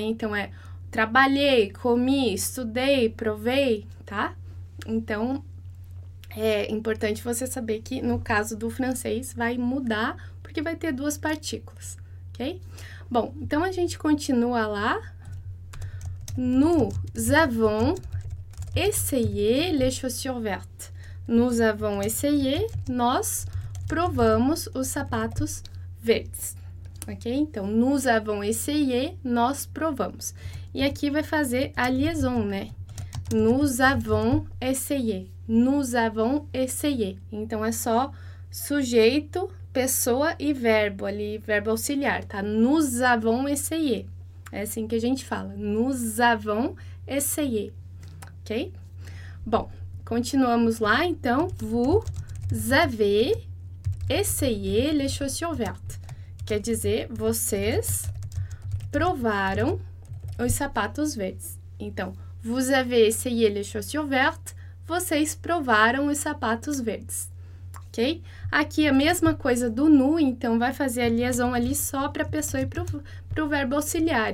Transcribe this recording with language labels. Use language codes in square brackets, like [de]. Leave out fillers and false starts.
[pt] Então, é trabalhei, comi, estudei, provei, tá? Então, é importante você saber que no caso do francês vai mudar porque vai ter duas partículas, ok? Bom, então a gente continua lá. [fr] Nous avons essayé les chaussures vertes. Nous avons essayé, [pt] nós provamos os sapatos verdes, ok? Então, [fr] nous avons essayé, [pt] nós provamos. E aqui vai fazer a liaison, né? [fr] Nous avons essayé. Nous avons essayé. [pt] Então é só sujeito, pessoa e verbo ali, verbo auxiliar, tá? [fr] Nous avons essayé. [pt] É assim que a gente fala. [fr] Nous avons essayé. Ok? [pt] Bom, continuamos lá então. [fr] Vous avez essayé les chaussures vertes. [pt] Quer dizer, vocês provaram os sapatos verdes. Então, [fr] vous avez essayé les chaussures vertes. [pt] Vocês provaram os sapatos verdes, ok? Aqui a mesma coisa do nu, então vai fazer a liaison ali só para a pessoa e pro verbo auxiliar.